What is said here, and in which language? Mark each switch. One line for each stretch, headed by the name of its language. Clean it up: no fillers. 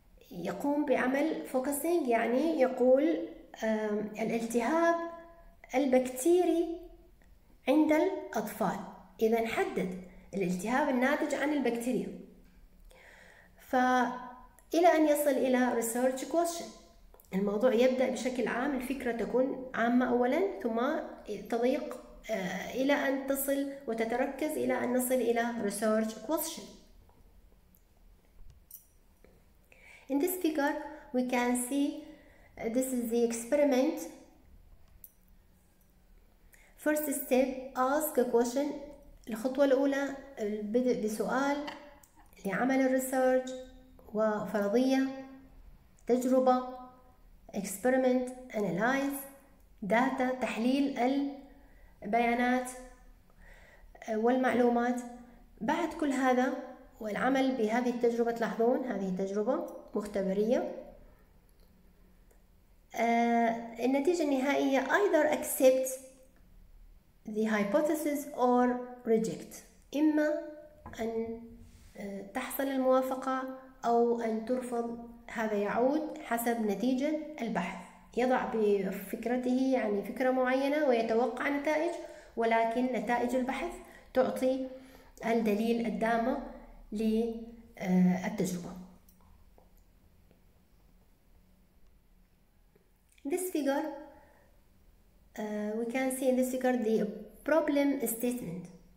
Arabic: يقوم بعمل focusing يعني يقول الالتهاب البكتيري عند الأطفال، إذا حدد الالتهاب الناتج عن البكتيريا، فإلى أن يصل إلى research question. الموضوع يبدأ بشكل عام، الفكرة تكون عامة أولا ثم تضيق إلى أن تصل وتتركز إلى أن نصل إلى research question.
English: In this figure we can see this is the experiment. First step ask a question.
Arabic: الخطوة الأولى البدء بسؤال لعمل الريسيرش وفرضية تجربة
English: experiment analyze data
Arabic: تحليل البيانات والمعلومات. بعد كل هذا والعمل بهذه التجربة، تلاحظون هذه التجربة مختبرية، النتيجة النهائية
English: either accept the hypothesis or reject،
Arabic: إما أن تحصل الموافقة أو أن ترفض، هذا يعود حسب نتيجة البحث. يضع بفكرته يعني فكرة معينة ويتوقع نتائج، ولكن نتائج البحث تعطي الدليل الدامة للتجربة.
English: This figure we can see in this figure the problem statement.